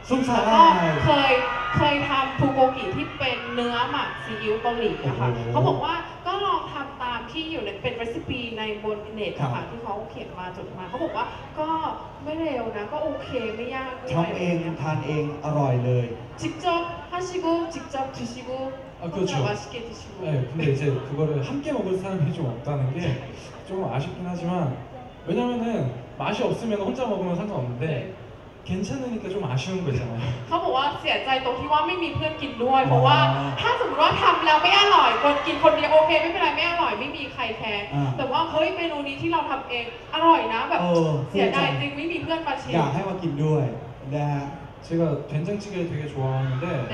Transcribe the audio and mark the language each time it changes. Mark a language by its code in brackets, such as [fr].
[th] ซุปสาหร่ าย เคยทำทูโกกิที่เป็นเนื้อหมักซีอิ๊วเกาหลีอะค่ะเขาบอกว่าก็ลองทำตามที่อยู่ในเป็นรีซิปีในบนอินเทอร์เน็ตค่ะที่เขาเขียนมาจดมาเขาบอกว่าก็ไม่เร็วนะก็โอเคไม่ยาก ทำเองทานเองอร่อยเลย [ko] 직접 하시고 직접 드시고 아그렇죠 맛있게 드시고 네 근데 이제 그거를 함께 먹을 사람이 좀 없다는 게 조금 아쉽긴 하지만 왜냐면은 맛이 없으면 혼자 먹으면 상관없는데 괜찮으니까 좀 아쉬운 거잖아요 [th] เขาบอกว่าเสียใจตรงที่ว่าไม่มีเพื่อนกินด้วยเพราะว่าถ้าสมมติว่าทำแล้วไม่อร่อยคนกินคนเดียวโอเคไม่เป็นไรไม่อร่อยไม่มีใครแคร์แต่ว่าเฮ้ยเมนูนี้ที่เราทำเองอร่อยนะแบบเสียใจจริงไม่มีเพื่อนมาชิมอ ยากให้มากินด้วยนะ [ko] 제가된장찌개를되게좋아하는데 、